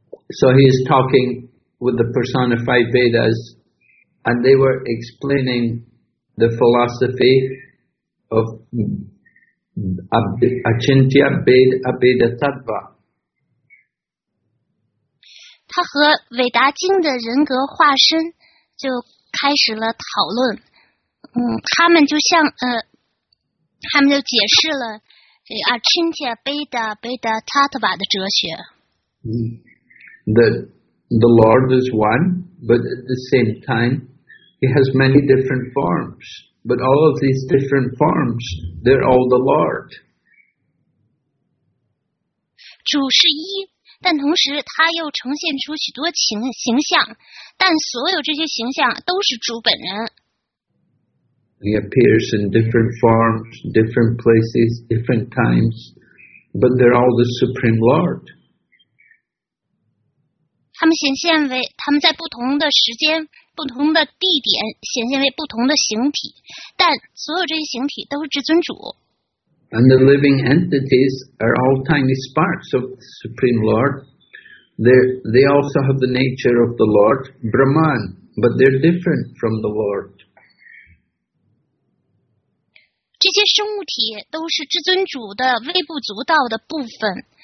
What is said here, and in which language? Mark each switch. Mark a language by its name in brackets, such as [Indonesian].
[English] So he is talking with the personified Vedas, and they were explaining the philosophy of Achintya Abheda Tattva. [Chinese] 他和伟达经的人格化身就开始了讨论。他们就像他们就解释了这 Achintya Abheda Tattva 的哲学。 [English] The Lord is one, but at the same time, He has many different forms. But all of these different forms, they're all the Lord. [Chinese] 主是一，但同时他又呈现出许多形象，但所有这些形象都是主本人。 [English] He appears in different forms, different places, different times, but they're all the Supreme Lord. [Chinese] 他们在不同的时间、不同的地点显现为不同的形体，但所有这些形体都是至尊主。 [English] And the living entities are all tiny sparks of the Supreme Lord. They also have the nature of the Lord, Brahman, but they're different from the Lord. [Chinese] 这些生物体都是至尊主的微不足道的部分。